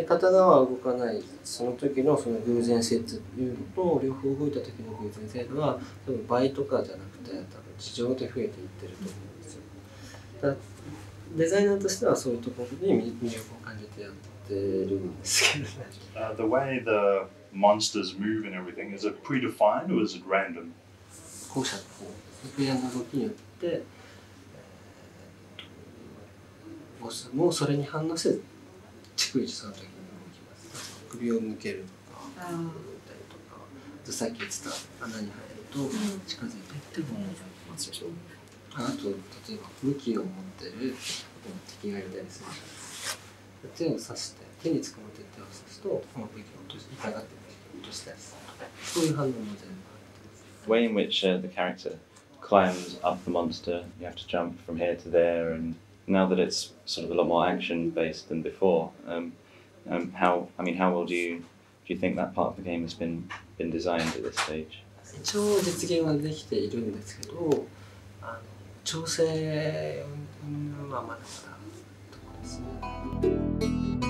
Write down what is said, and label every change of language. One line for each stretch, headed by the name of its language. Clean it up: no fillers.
Japanese: で片側は動かないその時のその偶然性っていうのと両方動いた時の偶然性は多分倍とかじゃなくて多分地上で増えていってると思うんですよ。だデザイナーとしてはそういうところに魅力を感じてやってるんですけどね。
English: The way the monsters move and everything, is it predefined or is it random?
Japanese: 後者の方、プレイヤーの動きによって、ボスもそれに反応して、逐一その時に動きます。首を向けるとか、動いたりとか、さっき言ってた穴に入ると近づいていって動きますでしょ。あと例えば武器を持っている敵がいたりするじゃないですか。手を刺して手につかまって手を刺すとこの武器を落とし痛がって落としたりするとかそういう反応も全部あるんです。
English: Way in which the character climbs up the monster, you have to jump from here to there, and now that it's sort of a lot more action based than before, how well do you think that part of the game has been designed at this stage?
Japanese: 一応実現はできているんですけど。調整はまだまだところですね。